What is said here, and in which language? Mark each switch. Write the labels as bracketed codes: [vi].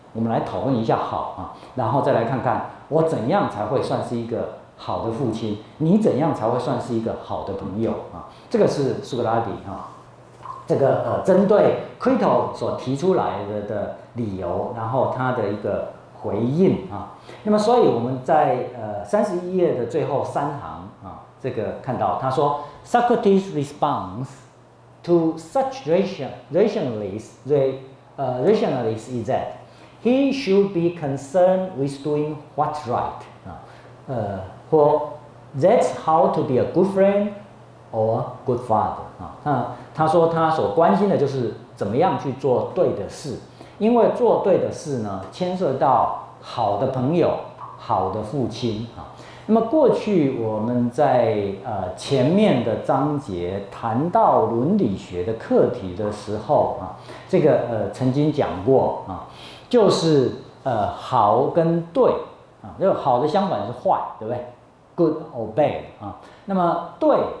[zh] 我们来讨论一下好啊，然后再来看看我怎样才会算是一个好的父亲，你怎样才会算是一个好的朋友啊？这个是苏格拉底啊，这个针对 Crito 所提出来的理由，然后他的一个回应啊。那么所以我们在31页的最后三行啊，这个看到他说 [en] Socrates' response to such rationalists is that he should be concerned with doing what's right 啊，或 that's how to be a good friend or good father [zh] 啊。那他说他所关心的就是怎么样去做对的事，因为做对的事呢，牵涉到好的朋友、好的父亲啊。那么过去我们在前面的章节谈到伦理学的课题的时候啊，这个曾经讲过啊，就是好跟对啊，就好的相反是坏，对不对 ？ [en] Good or bad [zh] 啊，那么对